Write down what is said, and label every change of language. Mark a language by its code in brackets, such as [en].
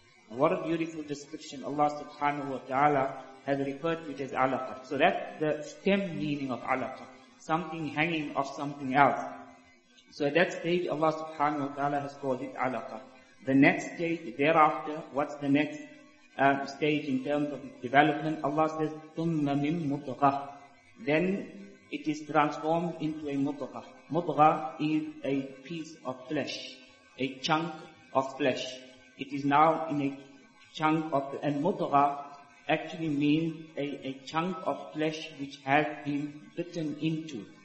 [en] What a beautiful description. Allah subhanahu wa ta'ala has referred to it as alaqa. So that's the stem meaning of alaqa, something hanging off something else. So at that stage, Allah subhanahu wa ta'ala has called it alaqa. The next stage thereafter, what's the next stage in terms of development? Allah says, [ar] ثُمَّ مِن مُطْغَةٍ. [en] Then it is transformed into a mutgha. Mutgha is a piece of flesh, a chunk of flesh. It is now in a chunk of, and mutgha actually means a chunk of flesh which has been bitten into.